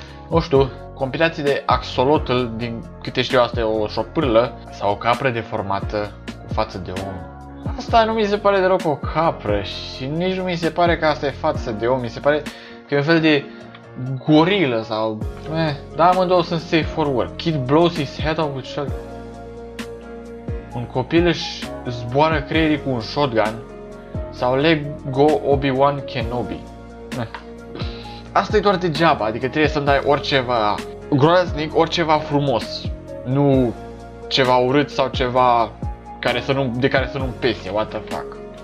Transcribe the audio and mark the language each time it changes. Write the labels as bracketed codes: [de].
[ro] Nu știu, compilații de axolotl, din câte știu, asta e o șopârlă sau o capră deformată cu față de om. Asta nu mi se pare deloc o capră și nici nu mi se pare că asta e față de om, mi se pare că e un fel de... gorilă sau... Da, amândouă sunt safe for work. [en] Kid blows his head off with shotgun. [ro] Un copil își zboară creierii cu un shotgun. Sau Lego Obi-Wan Kenobi. Asta e doar degeaba, adică trebuie să-mi dai oriceva groaznic, oriceva frumos. Nu ceva urât sau ceva care să nu, de care să nu-mi pese, [en] what the fuck.